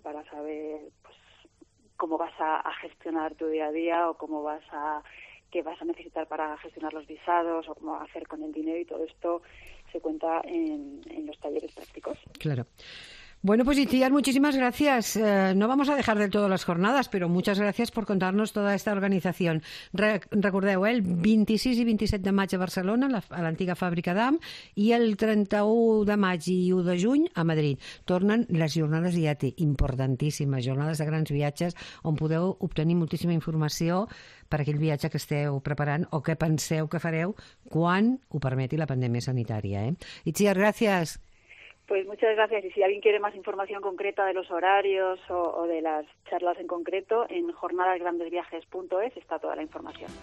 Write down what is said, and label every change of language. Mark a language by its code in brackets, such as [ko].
[es] Para saber pues cómo vas a gestionar tu día a día o qué vas a necesitar para gestionar los visados o cómo hacer con el dinero, y todo esto se cuenta en los talleres prácticos. Claro. Bueno, pues Itziar, muchísimas gracias. No vamos a dejar del todo las jornadas, pero muchas gracias por contarnos toda esta organización. [ca] Recordeu, el 26 i 27 de maig a Barcelona, a l'antiga fàbrica d'AM, i el 31 de maig i 1 de juny a Madrid. Tornen les jornades IATI, importantíssimes, jornades de grans viatges, on podeu obtenir moltíssima informació per aquell viatge que esteu preparant o que penseu que fareu quan ho permeti la pandèmia sanitària. Itziar, gràcies. [es] Pues muchas gracias. Y si alguien quiere más información concreta de los horarios o de las charlas en concreto, en jornadasgrandesviajes.es está toda la información.